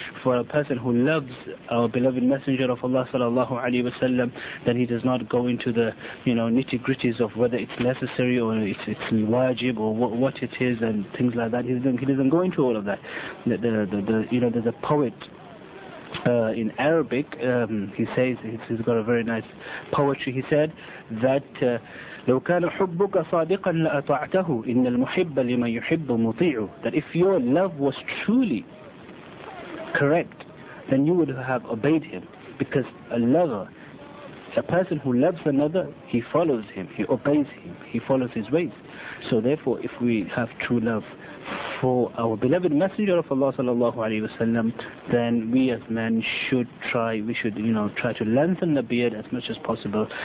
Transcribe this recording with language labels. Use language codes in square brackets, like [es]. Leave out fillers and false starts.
[en] For a person who loves our beloved Messenger of Allah sallallahu alaihi wasallam, then he does not go into the nitty gritties of whether it's necessary or it's wajib or what it is and things like that. He doesn't go into all of that. There's a poet in Arabic, he says, he's got a very nice poetry. He said that [ar] لو كان حبك صادقا لأطعته إن المحب لما يحب مطيع. [en] That if your love was truly correct, then you would have obeyed him, because a lover, a person who loves another, he follows him, he obeys him, he follows his ways. So therefore, if we have true love for our beloved Messenger of Allah sallallahu alaihi wasallam, then we as men should try, we should try to lengthen the beard as much as possible.